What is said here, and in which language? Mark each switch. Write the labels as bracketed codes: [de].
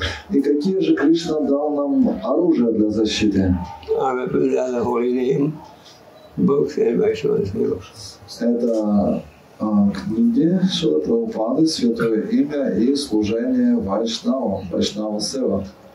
[ru] И какие же Кришна дал нам оружие для защиты? [en] Our weapons are the holy name, books and Vaishnava's books. [ru] Это книги Шрилы Прабхупады, святое имя и служение Вайшнава, Вайшнава Сева.